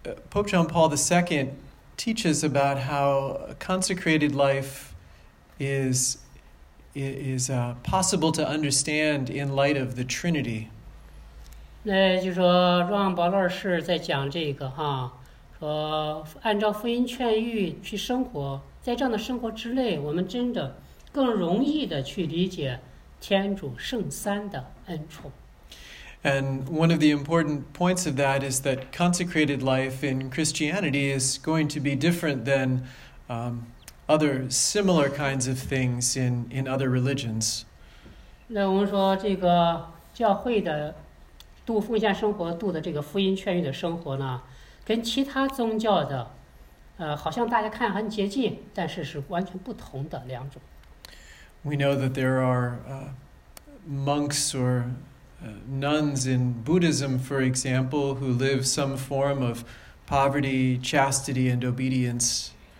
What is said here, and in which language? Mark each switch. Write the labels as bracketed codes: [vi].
[en] Pope John Paul II teaches about how consecrated life is possible to understand in light of the Trinity. [zh] 那就说，若望保罗二世在讲这个哈，说按照福音劝谕去生活，在这样的生活之内，我们真的更容易的去理解天主圣三的恩宠。 [en] And one of the important points of that is that consecrated life in Christianity is going to be different than other similar kinds of things in other religions. [zh] 那我们说这个教会的度奉献生活，度的这个福音劝谕的生活呢，跟其他宗教的，好像大家看很接近，但是是完全不同的两种。 [en] We know that there are monks or nuns in Buddhism, for example, who live some form of poverty, chastity, and obedience.